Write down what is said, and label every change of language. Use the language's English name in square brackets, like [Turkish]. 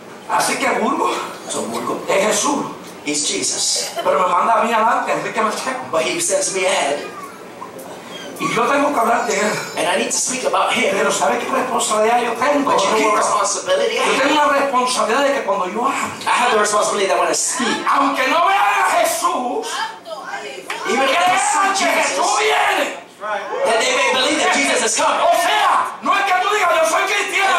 [Spanish] Así que Burgo, [English] so Burgo [Spanish] es Jesús. [English] He's Jesus. [Spanish] Pero me manda a mí adelante, así que me checo. [English] But he sends me ahead. [Spanish] Y yo tengo que hablar de él. [English] And I need to speak about him. [Spanish] Pero ¿sabes qué responsabilidad yo tengo? [English] But you have a responsibility. [Spanish] Yo tengo la responsabilidad de que cuando yo hablo. [English] I have the responsibility that when I speak. [Spanish] Aunque no vea a Jesús. [English] Even if I don't see Jesus. [Spanish] Jesús viene. [English] That they may believe that Jesus has come. [Spanish] O sea, no es que tú digas yo soy cristiano.